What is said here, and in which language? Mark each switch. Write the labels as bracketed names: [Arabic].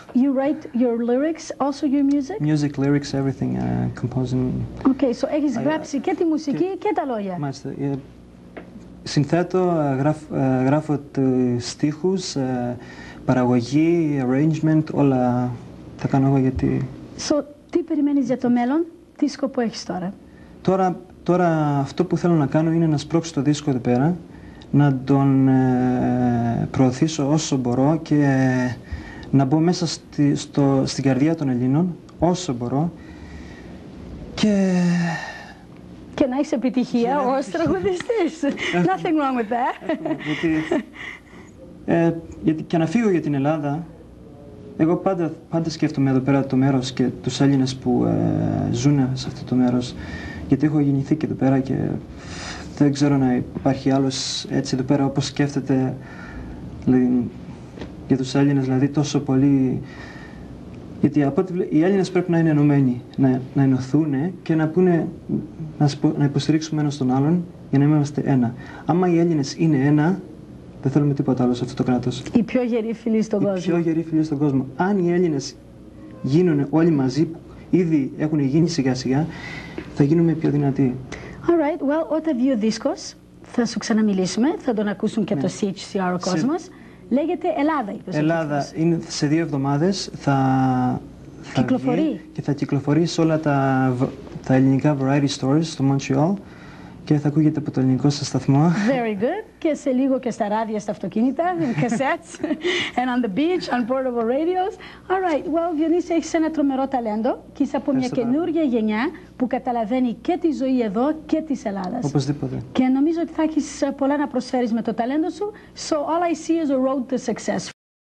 [English] you write your lyrics, also your music? Music, lyrics, everything, composing. Okay, so [Greek] έχεις γράψει και τη μουσική και τα λόγια. Μάλιστα. Συνθέτω, γράφω στίχους, παραγωγή, arrangement, όλα τα κάνω εγώ γιατί... So, τι περιμένεις για το μέλλον, τι σκοπό έχεις τώρα? Τώρα αυτό που θέλω να κάνω είναι να σπρώξω το δίσκο εδώ πέρα, να τον προωθήσω όσο μπορώ και να μπω μέσα στην καρδιά των Ελλήνων όσο μπορώ και να έχεις επιτυχία ως τραγουδιστής. [English] Nothing wrong with that. [Greek] γιατί και να φύγω για την Ελλάδα, εγώ πάντα σκέφτομαι εδώ πέρα το μέρος και τους Έλληνες που ζουν σε αυτό το μέρος. Γιατί έχω γεννηθεί και εδώ πέρα και δεν ξέρω να υπάρχει άλλος έτσι εδώ πέρα όπως σκέφτεται, δηλαδή, για τους Έλληνες, δηλαδή τόσο πολύ. Γιατί από ό,τι οι Έλληνες πρέπει να είναι ενωμένοι, να ενωθούν και να πούνε, να υποστηρίξουμε ένας τον άλλον για να είμαστε ένα. Άμα οι Έλληνες είναι ένα, δεν θέλουμε τίποτα άλλο σε αυτό το κράτος. Οι πιο γεροί φίλοι στον κόσμο. Οι πιο γεροί φίλοι στον κόσμο. Αν οι Έλληνες γίνουν όλοι μαζί, ήδη έχουν γίνει σιγά σιγά, θα γίνουμε πιο δυνατοί. [English] All right, well, [Greek] όταν βγει ο δίσκος, θα σου ξαναμιλήσουμε, θα τον ακούσουν και ναι. Το CHCR ο κόσμος. Λέγεται Ελλάδα, είπες. Ελλάδα, είναι σε 2 εβδομάδες θα κυκλοφορεί. Και θα κυκλοφορεί σε όλα τα ελληνικά variety stores στο Montreal και θα ακούγεται από το ελληνικό σας σταθμό. [English] Very good. [Greek] Και σε λίγο και στα ράδια, στα αυτοκίνητα, [English] in cassettes, and on the beach, on portable radios. All right, well, [Greek] Διονύση, έχεις ένα τρομερό ταλέντο και είσαι από μια καινούργια γενιά που καταλαβαίνει και τη ζωή εδώ και της Ελλάδας. Οπωσδήποτε. Και νομίζω ότι θα έχεις πολλά να προσφέρεις με το ταλέντο σου. [English] So all I see is a road to success.